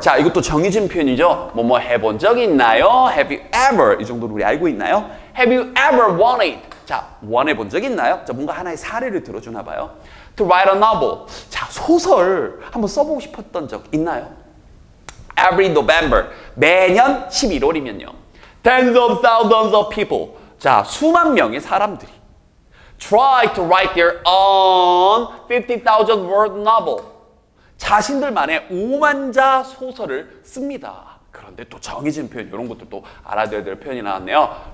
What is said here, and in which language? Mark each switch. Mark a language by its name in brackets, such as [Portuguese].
[Korean] 자, 이것도 정해진 표현이죠. 뭐뭐 해본 적 있나요? [English] Have you ever? [Korean] 이 정도로 우리 알고 있나요? [English] Have you ever wanted? [Korean] 자, 원해본 적 있나요? 자, 뭔가 하나의 사례를 들어주나 봐요. [English] To write a novel. [Korean] 자, 소설 한번 써보고 싶었던 적 있나요? [English] Every November. [Korean] 매년 11월이면요. [English] Tens of thousands of people. [Korean] 자, 수만 명의 사람들이. [English] Try to write their own 50,000 word novel. [Korean] 자신들만의 5만자 소설을 씁니다. 그런데 또 정해진 표현 이런 것들도 알아둬야 될 표현이 나왔네요.